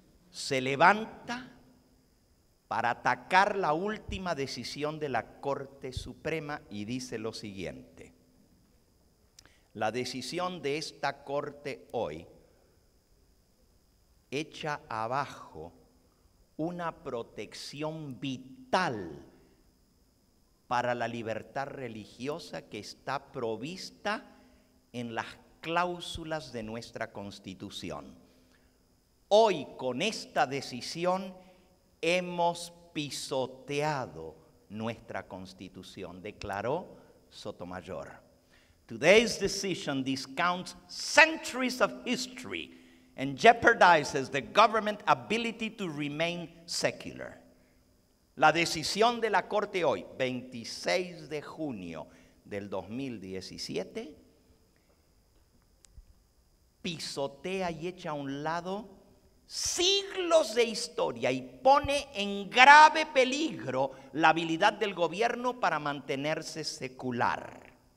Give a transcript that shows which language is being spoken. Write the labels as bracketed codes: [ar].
[es] se levanta para atacar la última decisión de la Corte Suprema y dice lo siguiente: la decisión de esta Corte hoy echa abajo una protección vital para la libertad religiosa que está provista en las cláusulas de nuestra Constitución. Hoy, con esta decisión, hemos pisoteado nuestra Constitución, declaró Sotomayor. [en] Today's decision discounts centuries of history and jeopardizes the government's ability to remain secular. [es] La decisión de la Corte hoy, 26 de junio del 2017, pisotea y echa a un lado siglos de historia y pone en grave peligro la habilidad del gobierno para mantenerse secular.